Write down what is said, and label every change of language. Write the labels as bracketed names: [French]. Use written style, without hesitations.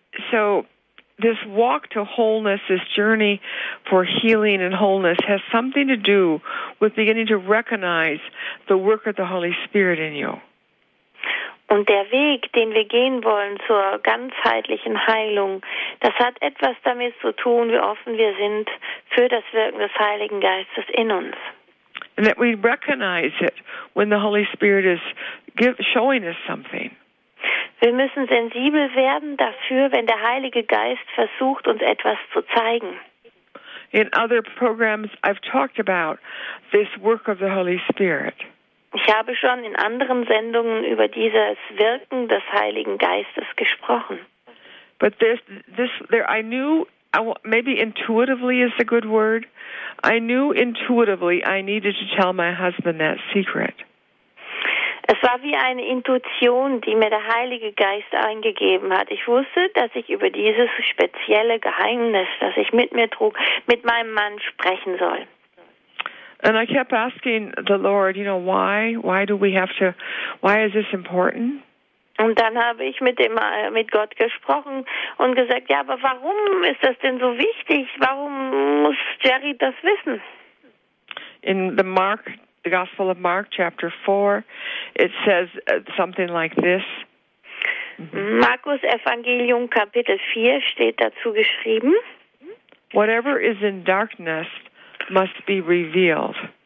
[English] So this walk to wholeness, this journey for healing and wholeness, has something to do with beginning to recognize the work of the Holy Spirit in you. [German] Und der Weg, den wir gehen wollen zur ganzheitlichen Heilung, das hat etwas damit zu tun, wie offen wir sind für das Wirken des Heiligen Geistes in uns. [English] And that we recognize it when the Holy Spirit is showing us something. [German] Wir müssen sensibel werden dafür, wenn der Heilige Geist versucht, uns etwas zu zeigen. [English] In other programs I've talked about this work of the Holy Spirit. [German] Ich habe schon in anderen Sendungen über dieses Wirken des Heiligen Geistes gesprochen. [English] But this, I knew, maybe intuitively is a good word. I knew intuitively I needed to tell my husband that secret. [German] Es war wie eine Intuition, die mir der Heilige Geist eingegeben hat. Ich wusste, dass ich über dieses spezielle Geheimnis, das ich mit mir trug, mit meinem Mann sprechen soll. [English] And I kept asking the Lord, you know, why is this important? [German] Und dann habe ich mit Gott gesprochen und gesagt, ja, aber warum ist das denn so wichtig? Warum muss Jerry das wissen? [English] In the Gospel of Mark, chapter 4, it says something like this. Mm-hmm. [German] Markus Evangelium, Kapitel 4, steht dazu geschrieben. [English] Whatever is in darkness must be revealed.